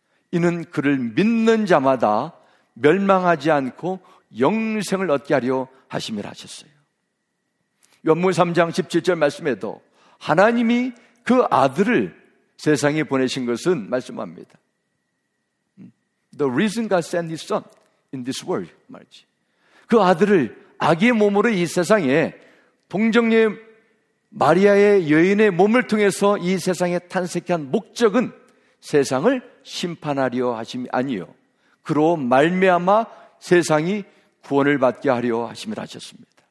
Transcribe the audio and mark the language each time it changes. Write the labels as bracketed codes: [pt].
[ko] 이는 그를 믿는 자마다 멸망하지 않고 영생을 얻게 하려 하심이라 하셨어요. 요한복음 3장 17절 말씀에도 하나님이 그 아들을 세상에 보내신 것은 말씀합니다. [en] The reason God sent his son in this world [ko] 말이지. 그 아들을 아기의 몸으로 이 세상에, 동정녀 마리아의 여인의 몸을 통해서 이 세상에 탄생한 목적은 세상을 심판하려 하심이 아니요, 그로 말미암아 세상이 구원을 받게 하려 하심을 하셨습니다.